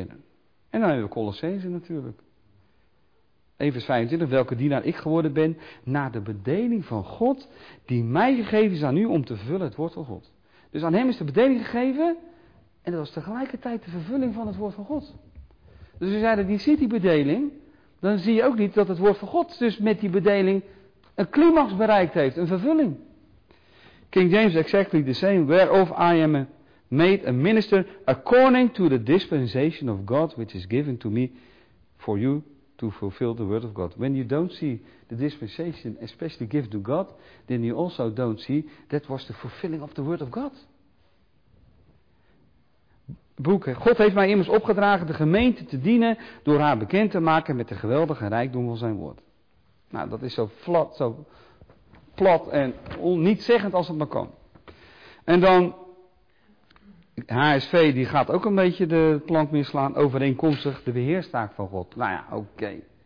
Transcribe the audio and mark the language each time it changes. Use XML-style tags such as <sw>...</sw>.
<nl>En dan hebben we Colossenzen natuurlijk. Efes 25, welke dienaar ik geworden ben, naar de bedeling van God, die mij gegeven is aan u om te vullen het woord van God. Dus aan hem is de bedeling gegeven, en dat was tegelijkertijd de vervulling van het woord van God. Dus we zeiden, die zit die bedeling, dan zie je ook niet dat het woord van God dus met die bedeling een climax bereikt heeft, een vervulling.</nl> <en>King James, exactly the same, whereof I am made a minister according to the dispensation of God, which is given to me for you, to fulfill the word of God. When you don't see the dispensation especially given to God, then you also don't see that was the fulfilling of the word of God.</en> <nl>Boeken. God heeft mij immers opgedragen de gemeente te dienen door haar bekend te maken met de geweldige rijkdom van zijn woord. Nou, dat is zo plat en nietzeggend als het maar kan. En dan HSV, die gaat ook een beetje de plank misslaan, overeenkomstig de beheerstaak van God. Nou ja, oké. Okay.</nl>